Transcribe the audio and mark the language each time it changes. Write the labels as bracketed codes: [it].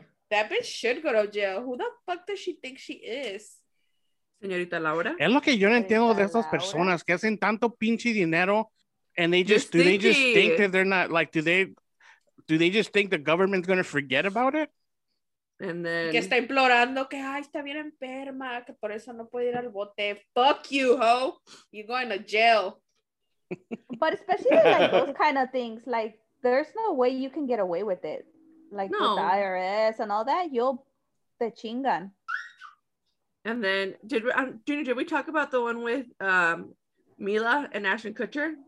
[en] That bitch should go to jail. Who the fuck does she think she is? [es] Señorita Laura? Es lo que yo no entiendo de esas personas que hacen tanto pinche dinero [en] and they just, they just think that they're not, like, do they just think the government's going to forget about it? And then... [es] Que está implorando que, ay, está bien enferma, que por eso no puede ir al bote. [en] Fuck you, ho. You're going to jail. But especially, like, those kind of things, like, there's no way you can get away with it. Like, no. With the IRS and all that, you'll the chingan. And then, did we talk about the one with Mila and Ashton Kutcher?